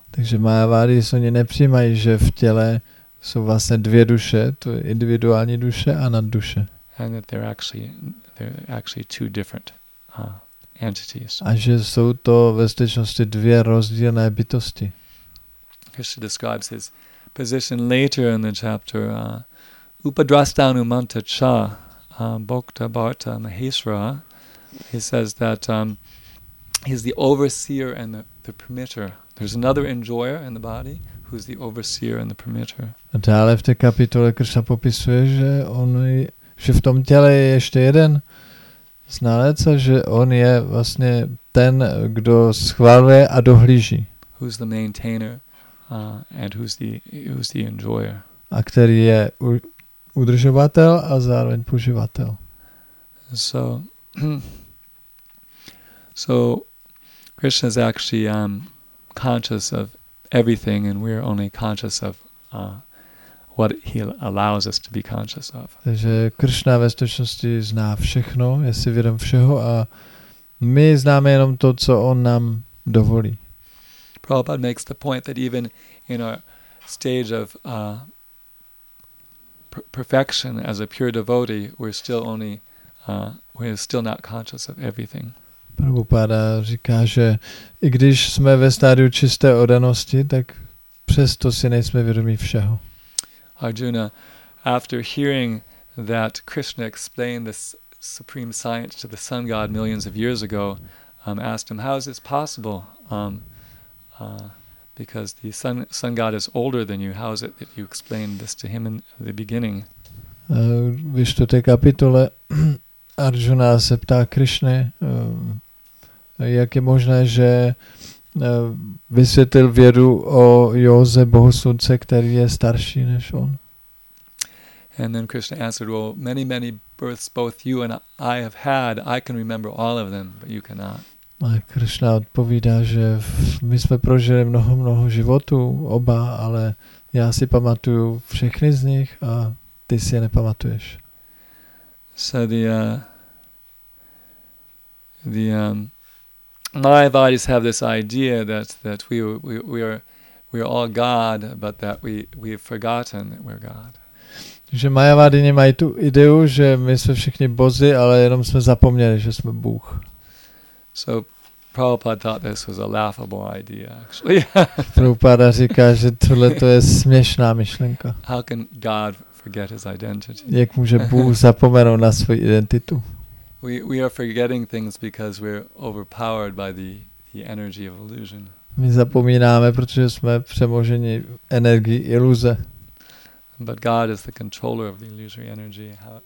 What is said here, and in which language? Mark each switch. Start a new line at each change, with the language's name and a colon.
Czech: Takže Mayavadis, oni nepřijímají, že v těle jsou vlastně dvě duše, to je individuální duše a nadduše.
English: And that they're actually two different entities.
Czech: A že jsou to ve skutečnosti dvě rozdílné bytosti.
English: Krishna describes his position later in the chapter.
Sanskrit: Upadrastanu manta cha bhokta bharta maheshra.
English: He says that he's the overseer and the permitter. There's another enjoyer in the body who's the overseer and the permitter.
Czech: A dále v té kapitole Krishna popisuje, že v tom těle je ještě jeden znalec, že on je vlastně ten, kdo schvaluje a dohlíží.
English: Who's the maintainer and who's the enjoyer?
Czech: A který je udržovatel a zároveň poživatel.
English: So Krishna is actually conscious of everything, and we're only conscious of what he allows us to be conscious of.
Czech: Takže Krishna ve skutečnosti zná všechno, je si vědom všeho a my známe jenom to, co on nám dovolí.
English: Prabhupada makes the point that even in our stage of perfection as a pure devotee, we're still not conscious of everything.
Czech: Prabhupada říká, že i když jsme ve stádiu čisté oddanosti, tak přesto si nejsme vědomí všeho.
English: Arjuna, after hearing that Krishna explained this supreme science to the sun god millions of years ago, asked him, "How is this possible? Because the sun god is older than you. How is it that you explained this to him in the beginning?"
Czech: Víš, to té kapitole Arjuna se ptá Krishna, jak je možné, že vysvětlil vědu o Józe Bohusunce, který je starší než on.
English: And then Krishna answered, "Well, many, many births both you and I have had. I can remember all of them, but you cannot."
Czech: A Krishna odpovídá, že my jsme prožili mnoho, mnoho životů oba, ale já si pamatuju všechny z nich a ty si je nepamatuješ.
English: So the Mayavadis have this idea that we are all God, but that we have forgotten that we're God.
Czech: Že Mayavadini mají tu ideu, že my jsme všichni bozy, ale jenom jsme zapomněli, že jsme Bůh.
English: So Prabhupada thought this was a laughable idea, actually.
Czech: Prabhupada říká, že tohle to je směšná myšlenka.
English: How can God forget his identity?
Czech: Jak může Bůh zapomenout na svou identitu?
English: We are forgetting things because we're overpowered by the energy of illusion.
Czech: My zapomínáme, protože jsme přemoženi energií iluze.
English: But God is the controller of the illusory energy.